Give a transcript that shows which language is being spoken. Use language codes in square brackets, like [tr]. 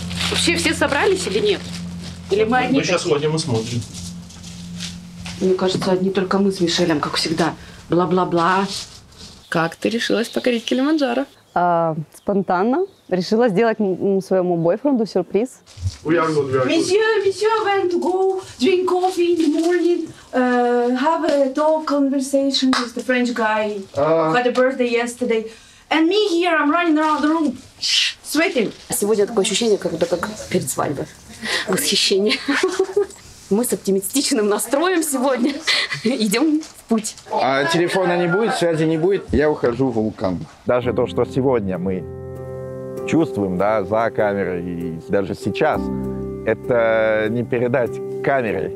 [ru] Вообще все собрались или нет? Или мы одни такие? Мы сейчас ходим и смотрим. Мне кажется, одни только мы с Мишелем, как всегда. Бла-бла-бла. Как ты решилась покорить Килиманджаро? Спонтанно. Решила сделать своему бойфренду сюрприз. [en] Monsieur, I want to go drink coffee in the morning, have a talk conversation with the French guy who had a birthday yesterday. And me here, I'm running around the room, sweating. [ru] Сегодня такое ощущение, как будто как перед свадьбой. Восхищение. Мы с оптимистичным настроем сегодня идем в путь. А телефона не будет, связи не будет. Я ухожу в вулкан. Даже то, что сегодня мы чувствуем, да, за камерой, и даже сейчас, это не передать камерой.